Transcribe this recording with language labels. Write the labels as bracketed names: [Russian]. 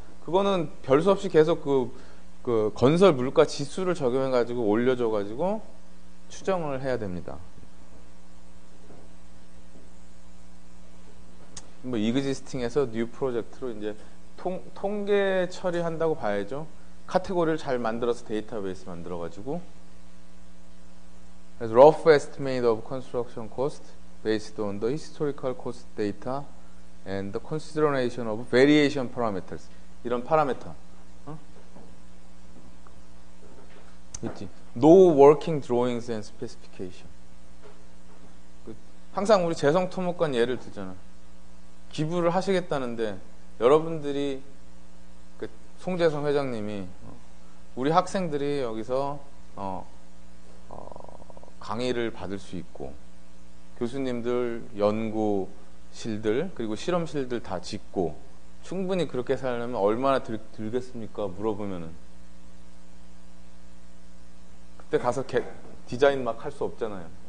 [Korean] 그거는 별 수 없이 계속 그 건설 물가 지수를 적용해가지고 올려줘가지고 추정을 해야 됩니다. 뭐 이그지스팅에서 뉴 프로젝트로 이제 통계 처리한다고 봐야죠. 카테고리를 잘 만들어서 데이터베이스 만들어가지고 그래서 [English] rough estimate of construction cost based on the historical cost data and the consideration of variation parameters [Korean] 이런 파라미터 있지. [English] No working drawings and specification. [Korean] 항상 우리 재성토목관 예를 들잖아. 기부를 하시겠다는데 여러분들이 그 송재성 회장님이 우리 학생들이 여기서 강의를 받을 수 있고 교수님들 연구실들 그리고 실험실들 다 짓고 충분히 그렇게 살려면 얼마나 들겠습니까 물어보면은 그때 가서 디자인 막 할 수 없잖아요.